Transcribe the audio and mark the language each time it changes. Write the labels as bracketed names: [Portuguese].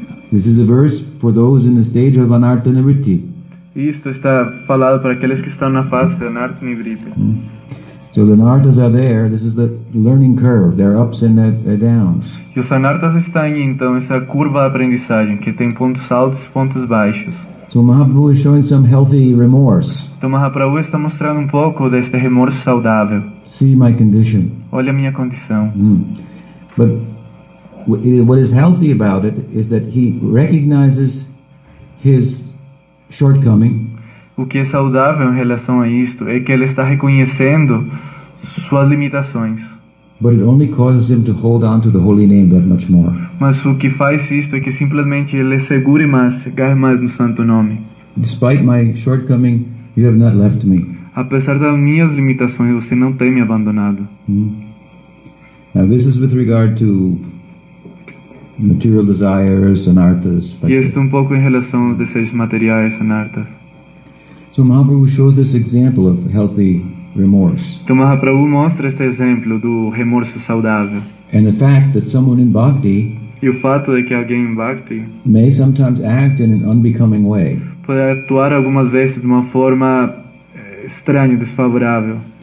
[English] This is a verse for those in the stage of anartha nivritti. [Portuguese] Isto está falado para aqueles que estão na fase de anartha nivritti. [English] So the anarthas are there. This is the learning curve. There are ups and downs. [Portuguese] E os anarthas estão aí, então, essa curva de aprendizagem, que tem pontos altos e pontos baixos. [English] So Mahaprabhu is showing some healthy remorse. [Portuguese] Então Mahaprabhu está mostrando um pouco desse remorso saudável. [English] See my condition. [Portuguese] Olha a minha condição. [English] But what is healthy about it is that he recognizes his shortcoming. [Portuguese] O que é saudável em relação a isto é que ele está reconhecendo suas limitações. [English] But it only causes him to hold on to the holy name that much more. [Portuguese] Mas o que faz isto é que simplesmente ele segure mais, agarre mais no santo nome. [English] Despite my shortcoming, you have not left me. [Portuguese] Apesar das minhas limitações, você não tem me abandonado. [English] Now this is with regard to material desires, anarthas. [Portuguese] E isto um pouco em relação aos desejos materiais, anarthas. [English] So Mahaprabhu shows this example of healthy remorse. [Portuguese] Então Mahaprabhu mostra este exemplo do remorso saudável. [English] And the fact that someone in bhakti, [Portuguese] e o fato de que alguém em bhakti, [English] may sometimes act in an unbecoming way, [Portuguese] pode atuar algumas vezes de uma forma estranha, desfavorável.